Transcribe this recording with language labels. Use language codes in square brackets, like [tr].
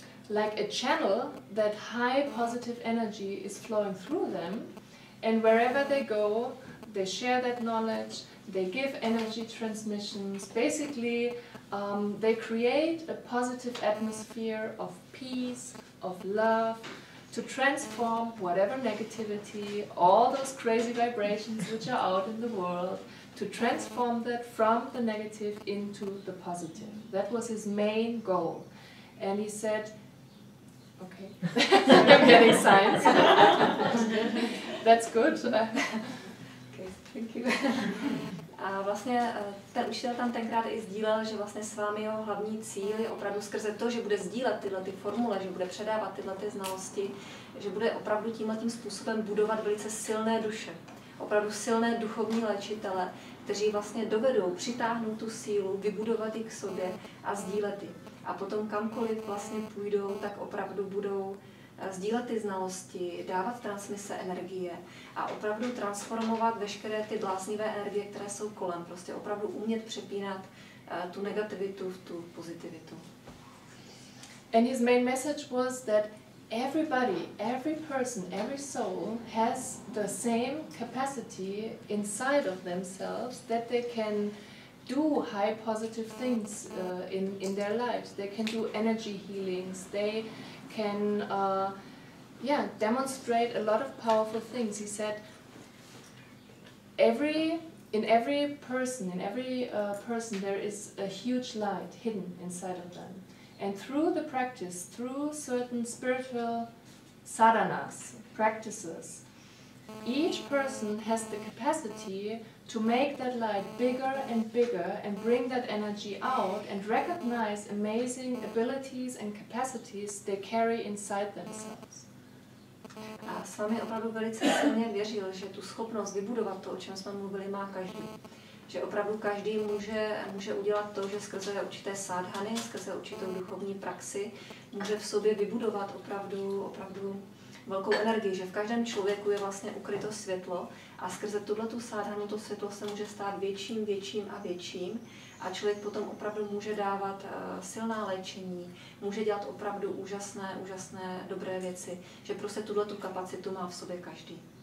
[en] like a channel that high positive energy is flowing through them, and wherever they go, they share that knowledge, they give energy transmissions, basically they create a positive atmosphere of peace, of love, to transform whatever negativity, all those crazy vibrations which are out in the world, to transform that from the negative into the positive. That was his main goal. And he said, okay, I'm getting signs. That's good. Okay, thank you. [cs] A vlastně ten učitel tam tenkrát i sdílel, že vlastně s vámi jeho hlavní cíl je opravdu skrze to, že bude sdílet tyhle ty formule, že bude předávat tyhle ty znalosti, že bude opravdu tímhle tím způsobem budovat velice silné duše, opravdu silné duchovní léčitele, kteří vlastně dovedou přitáhnout tu sílu, vybudovat ji k sobě a sdílet ji. A potom kamkoliv vlastně půjdou, tak opravdu budou sdílet ty znalosti, dávat transmise energie a opravdu transformovat veškeré ty bláznivé energie, které jsou kolem. Prostě opravdu umět přepínat tu negativitu v tu pozitivitu. [en] And his main message was that everybody, every person, every soul has the same capacity inside of themselves that they can do high positive things in their lives. They can do energy healings. They can demonstrate a lot of powerful things. He said, in every person there is a huge light hidden inside of them. And through the practice, through certain spiritual sadhanas, practices, each person has the capacity to make that light bigger and bigger and bring that energy out and recognize amazing abilities and capacities they carry inside themselves. [cs] A s vámi opravdu velice silně věřil, že tu schopnost vybudovat to, o čem jsme mluvili, má každý. Že opravdu každý může udělat to, že skrze určité sádhany, skrze určitou duchovní praxi, může v sobě vybudovat opravdu velkou energii, že v každém člověku je vlastně ukryto světlo a skrze tuto sádhanu to světlo se může stát větším, větším a větším a člověk potom opravdu může dávat silná léčení, může dělat opravdu úžasné, dobré věci, že prostě tuto kapacitu má v sobě každý.